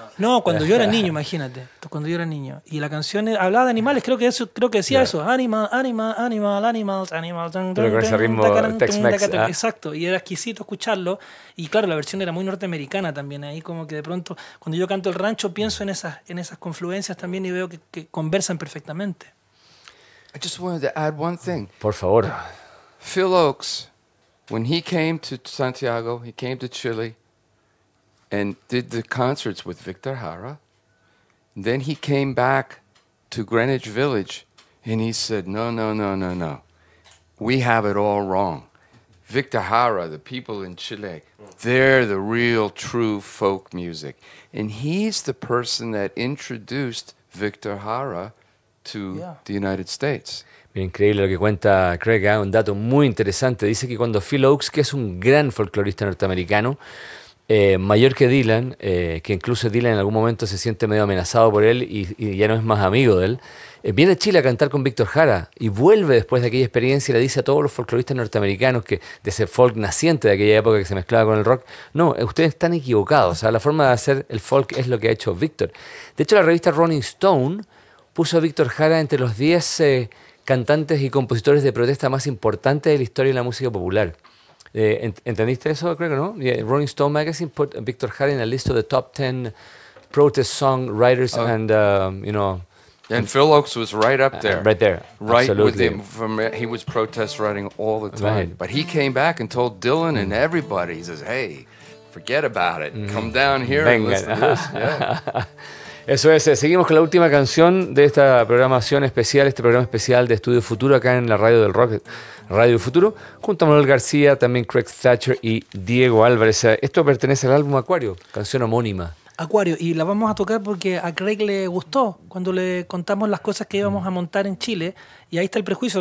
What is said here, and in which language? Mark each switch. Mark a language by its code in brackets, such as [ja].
[es] No, cuando yo era niño, imagínate, cuando yo era niño, y la canción hablaba de animales, creo que decía eso, animal, animal, animal, animals, animals, pero con ese ritmo Tex-Mex, exacto, y era exquisito escucharlo, y claro, la versión era muy norteamericana también, ahí como que de pronto, cuando yo canto El Rancho, pienso en esas confluencias también y veo que conversan perfectamente. [en] I just wanted to add one thing. [es] Por favor. [en] Phil Oakes, when he came to Santiago, he came to Chile, and did the concerts with Victor Jara, then he came back to Greenwich Village, and he said, no, no, no, no, no. We have it all wrong. Victor Jara, the people in Chile, they're the real, true folk music. And he's the person that introduced Victor Jara to the United States. [es] Increíble lo que cuenta Craig, un dato muy interesante. Dice que cuando Phil Oakes, que es un gran folclorista norteamericano, mayor que Dylan, que incluso Dylan en algún momento se siente medio amenazado por él y ya no es más amigo de él, viene a Chile a cantar con Víctor Jara y vuelve después de aquella experiencia y le dice a todos los folcloristas norteamericanos, que de ese folk naciente de aquella época que se mezclaba con el rock, no, ustedes están equivocados, o sea, la forma de hacer el folk es lo que ha hecho Víctor. De hecho, la revista Rolling Stone puso a Víctor Jara entre los 10 cantantes y compositores de protesta más importantes de la historia de la música popular. ¿Entendiste eso, creo que no? [en] Yeah, Rolling Stone Magazine put Victor Jara in a list of the top 10 protest song writers, and, you know, And Phil Oakes was right up there. Right there. Right. Absolutely. With him. He was protest writing all the time. Right. But he came back and told Dylan and everybody, he says, hey, forget about it. Come down here and listen to this. Yeah. [es] Eso es. Seguimos con la última canción de esta programación especial, este programa especial de Estudio Futuro acá en la Radio del Rock, Radio Futuro, junto a Manuel García, también Craig Thatcher y Diego Álvarez. Esto pertenece al álbum Acuario, canción homónima. Acuario, y la vamos a tocar porque a Craig le gustó cuando le contamos las cosas que íbamos a montar en Chile, y ahí está el prejuicio.